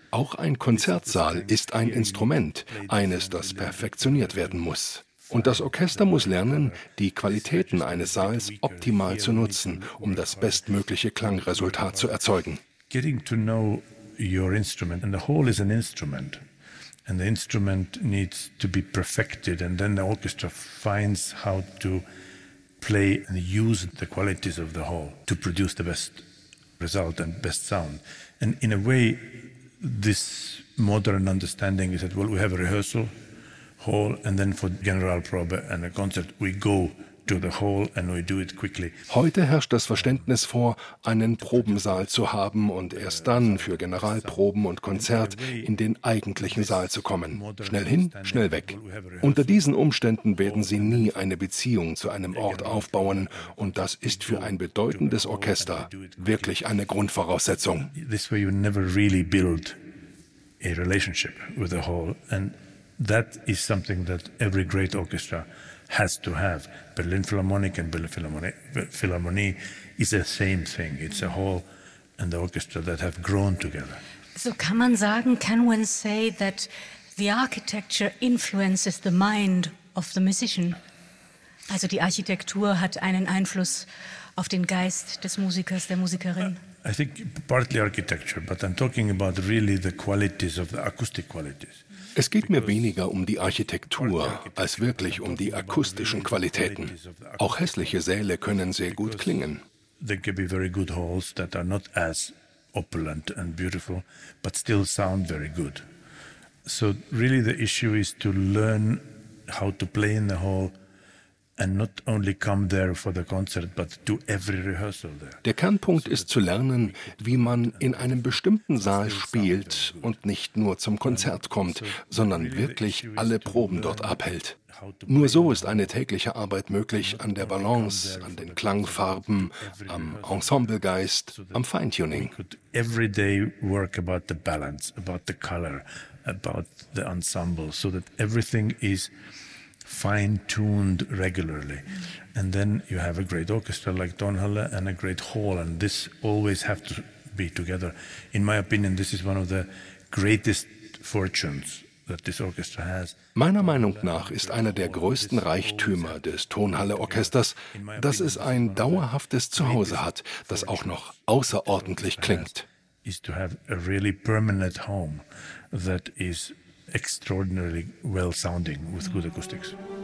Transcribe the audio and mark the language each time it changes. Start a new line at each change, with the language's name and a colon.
German: Auch ein Konzertsaal ist ein Instrument, eines, das perfektioniert werden muss. Und das Orchester muss lernen, die Qualitäten eines Saals optimal zu nutzen, um das bestmögliche Klangresultat zu erzeugen.
English: Getting to know your instrument, and the hall is an instrument, and the instrument needs to be perfected, and then the orchestra finds how to play and use the qualities of the hall to produce the best result and best sound. And in a way, this modern understanding is that, well, we have a rehearsal hall, and then for Generalprobe and a concert, we go to the hall and we do it quickly.
German: Heute herrscht das Verständnis vor, einen Probensaal zu haben und erst dann für Generalproben und Konzert in den eigentlichen Saal zu kommen. Schnell hin, schnell weg. Unter diesen Umständen werden Sie nie eine Beziehung zu einem Ort aufbauen, und das ist für ein bedeutendes Orchester wirklich eine Grundvoraussetzung. This way you never really build a relationship with the hall, and that is something that every great orchestra has to have.
English: Berlin Philharmonic and Berlin Philharmonie is the same thing. It's a hall and the orchestra that have grown together.
German: So kann man sagen,
English: can one say that the architecture influences the mind of the musician?
German: Also die Architektur hat einen Einfluss auf den Geist des Musikers, der Musikerin.
English: I think partly architecture, but I'm talking about really the qualities of the acoustic qualities.
German: Es geht mir weniger um die Architektur als wirklich um die akustischen Qualitäten. Auch hässliche Säle können sehr gut klingen.
English: There can be very good halls that are not as opulent and beautiful, but still sound very good. So really the issue is to learn how to play in the hall and not only come there for the concert, but do every rehearsal there.
German: Der Kernpunkt ist zu lernen, wie man in einem bestimmten Saal spielt und nicht nur zum Konzert kommt, sondern wirklich alle Proben dort abhält. Nur so ist eine tägliche Arbeit möglich an der Balance, an den Klangfarben, am Ensemblegeist, am Feintuning.
English: Every day work about the balance, about the color, about the ensemble, so that everything is fine-tuned regularly. And then you have a great orchestra like Tonhalle and a great hall, and this always have to be together. In my opinion, this is one of the greatest fortunes that this orchestra has.
German: Meiner Meinung nach ist einer der größten Reichtümer des Tonhalle-Orchesters, dass es ein dauerhaftes Zuhause hat, das auch noch außerordentlich klingt.
English: Is to have a really permanent home that is extraordinarily well sounding with good acoustics.